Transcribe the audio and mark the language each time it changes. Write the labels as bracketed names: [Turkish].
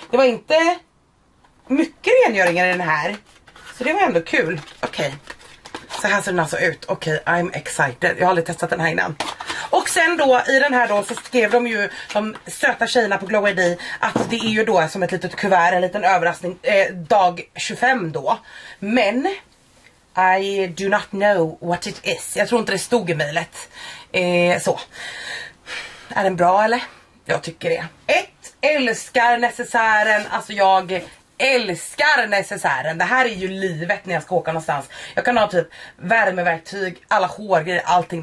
[Swedish] Det var inte mycket rengöringar i den här, så det var ändå kul. Okej. [English] Okay. [Swedish] Så här ser den alltså ut. Okej, [English] okay, I'm excited. [Swedish] Jag har aldrig testat den här innan. Och sen då, i den här då, så skrev de ju, de söta tjejerna på Glow ID, att det är ju då som ett litet kuvert, en liten överraskning, dag 25 då. Men, [English] I do not know what it is. [Swedish] Jag tror inte det stod i mejlet. Så. Är den bra eller? Jag tycker det. Ett, älskar necessären, alltså jag älskar necessären. Det här är ju livet när jag ska åka någonstans. Jag kan ha typ värmeverktyg, alla hårgrejer, allting.